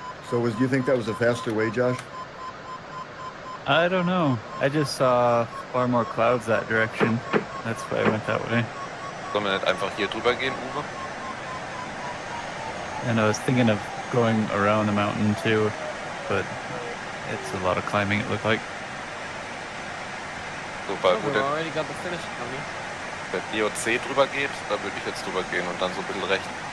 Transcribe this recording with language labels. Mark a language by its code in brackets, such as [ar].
[en] So, do you think that was a faster way, Josh? I don't know. I just saw far more clouds that direction. That's why I went that way. [de] Sollen wir nicht einfach hier drüber gehen, Uwe? [en] And I was thinking of going around the mountain too, but it's a lot of climbing, it looked like. [de] So, bei, [en] oh, already got the finish coming. [de] Wenn DOC drüber geht, da würde ich jetzt drüber gehen und dann so ein bisschen rechts.